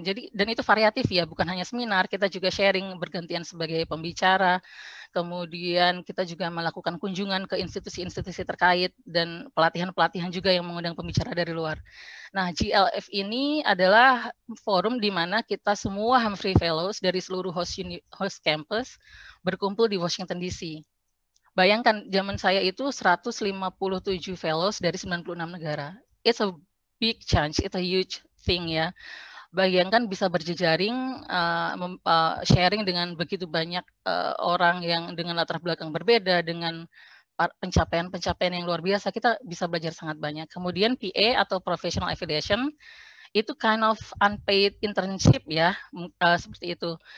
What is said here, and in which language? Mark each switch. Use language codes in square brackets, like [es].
[id] Jadi, dan itu variatif ya, bukan hanya seminar, kita juga sharing bergantian sebagai pembicara, kemudian kita juga melakukan kunjungan ke institusi-institusi terkait, dan pelatihan-pelatihan juga yang mengundang pembicara dari luar. Nah, GLF ini adalah forum di mana kita semua Humphrey Fellows dari seluruh host campus berkumpul di Washington DC. Bayangkan zaman saya itu 157 fellows dari 96 negara. [en] It's a big change, it's a huge thing ya. [id] Bayangkan bisa berjejaring, sharing dengan begitu banyak orang yang dengan latar belakang berbeda, dengan pencapaian-pencapaian yang luar biasa, kita bisa belajar sangat banyak. Kemudian PA atau Professional Affiliation, itu [en] kind of unpaid internship [id] ya, seperti itu.